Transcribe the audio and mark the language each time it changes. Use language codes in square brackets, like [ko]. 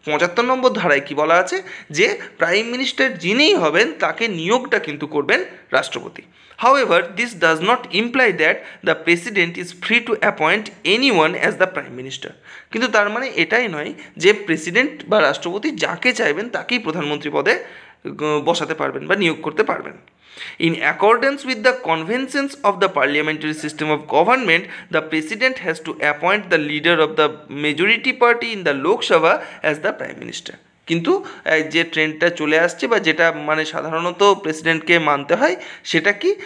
[bn] 75 নম্বর ধারায় কী বলা আছে? যে প্রাইম মিনিস্টার যিনিই হবেন তাকে নিয়োগটা কিন্তু করবেন রাষ্ট্রপতি। [en] However, this does not imply that the president is free to appoint anyone as the prime minister. [bn] কিন্তু তার মানে এটাই নয় যে প্রেসিডেন্ট বা রাষ্ট্রপতি যাকে চাইবেন তাকেই প্রধানমন্ত্রী পদে বসাতে পারবেন বা নিয়োগ করতে পারবেন। [en] In accordance with the conventions of the parliamentary system of government, the president has to appoint the leader of the majority party in the Lok Sabha as the prime minister. [bn] কিন্তু যে ট্রেন্ডটা চলে আসছে বা যেটা মানে সাধারণত প্রেসিডেন্টকে মানতে হয় সেটা কি?